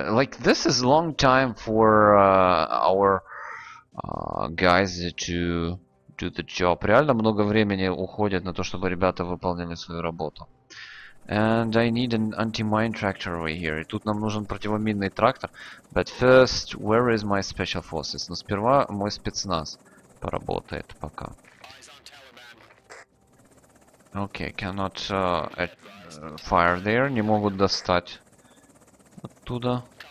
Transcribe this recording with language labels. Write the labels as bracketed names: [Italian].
[English] Like, this is long time for our guys to do the job. [Russian] Реально много времени уходит на то, чтобы ребята выполнили свою работу. [English] And I need an anti-mine tractor over here. [Russian] И тут нам нужен противоминный трактор. [English] But first, where is my special forces? [Russian] Но сперва мой спецназ поработает пока. [English] Okay, cannot fire there. [Russian] Не могут достать оттуда.